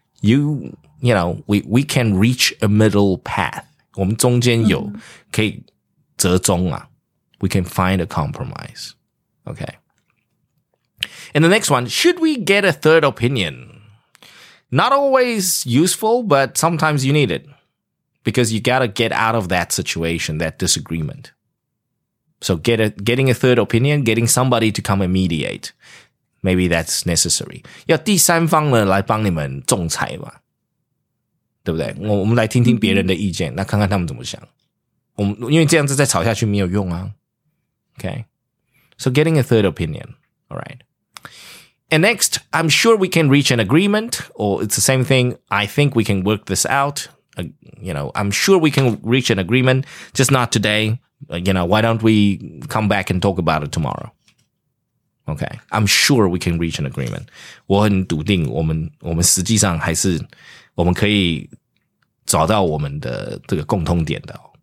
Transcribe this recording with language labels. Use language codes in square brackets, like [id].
[en] You know, we can reach a middle path. [zh] 我们中间有可以折中啊。 [en] We can find a compromise. Okay. And the next one, should we get a third opinion? Not always useful, but sometimes you need it. Because you gotta get out of that situation, that disagreement. So getting a third opinion, getting somebody to come and mediate, maybe that's necessary. [zh] 要第三方呢来帮你们仲裁嘛，对不对？我们来听听别人的意见，那看看他们怎么想。我们因为这样子再吵下去没有用啊。 [en] Okay, so getting a third opinion. All right. And next, I'm sure we can reach an agreement, or it's the same thing. I think we can work this out. You know, I'm sure we can reach an agreement, just not today. You know, why don't we come back and talk about it tomorrow? Okay, I'm sure we can reach an agreement. [zh] 我很笃定我们实际上还是我们可以找到我们的这个共通点的。